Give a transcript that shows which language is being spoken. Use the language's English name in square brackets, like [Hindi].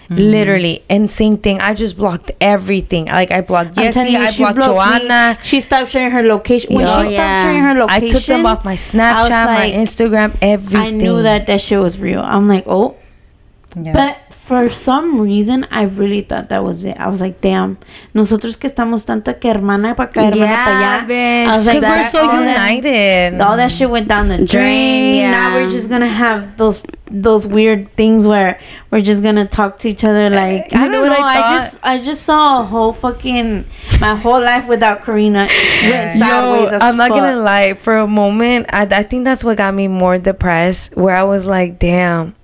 [English] Literally. And same thing. I just blocked everything. Like, I blocked Yessie. I blocked Joanna. She stopped sharing her location. When she stopped sharing her location, I took them off my Snapchat, like, my Instagram, everything. I knew that shit was real. I'm like, oh. But for some reason, I really thought that was it. I was like, damn. [Spanish] Nosotros que estamos tanto que hermana pa' acá, hermana pa' allá. [English] Yeah, bitch. Because like, we're so united. All that shit went down the drain. Yeah. Now we're just going to have those weird things where we're just going to talk to each other. Like, I don't know. I just saw a whole fucking, my whole life without Karina. I'm not going to lie. For a moment, I think that's what got me more depressed, where I was like, damn.